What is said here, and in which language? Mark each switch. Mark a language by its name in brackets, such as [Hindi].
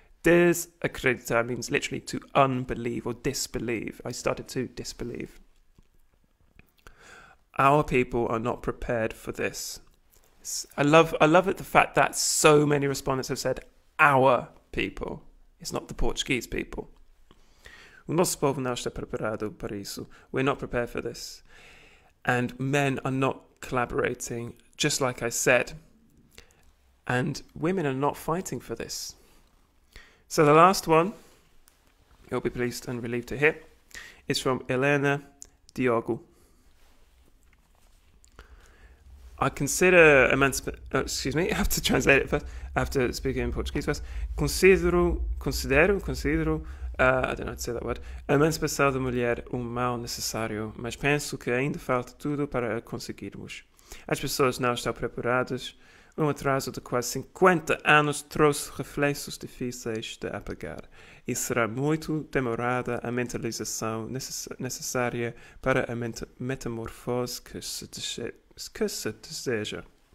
[English] Desacreditar means literally to unbelieve or disbelieve. I started to disbelieve. Our people are not prepared for this. I love it, the fact that so many respondents have said our people. It's not the Portuguese people. [Portuguese] O nosso povo não está preparado para isso. [English] We're not prepared for this. And men are not collaborating, just like I said. And women are not fighting for this. So the last one, you'll be pleased and relieved to hear, is from Elena Diogo. I consider I have to translate it first. I have to speak in Portuguese first. Considero. I don't know how to say that word. [Portuguese] Emancipação da mulher mal necessário, mas penso que ainda falta tudo para conseguirmos. As pessoas não estão preparadas. Atraso de quase 50 anos trouxe reflexos difíceis de apagar. E será muito demorada a mentalização necessária para a metamorfose que se deseja.